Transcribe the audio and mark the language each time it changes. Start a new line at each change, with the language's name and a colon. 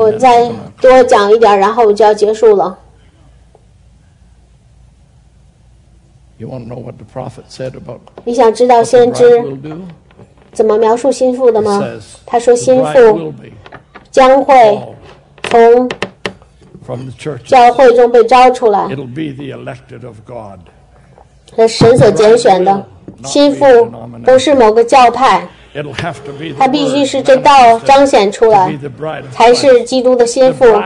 Chinese: 我再多讲一点，然后我就要结束了。
English: You want to know what the prophet said about?
Chinese: 你想知道先知怎么描述心腹的吗？他说心腹将会从教会中被招出来。
English: It'll be the elected of God.
Chinese: 那神所拣选的心腹不是某个教派。他必须是这道彰显出来，才是基督的心腹。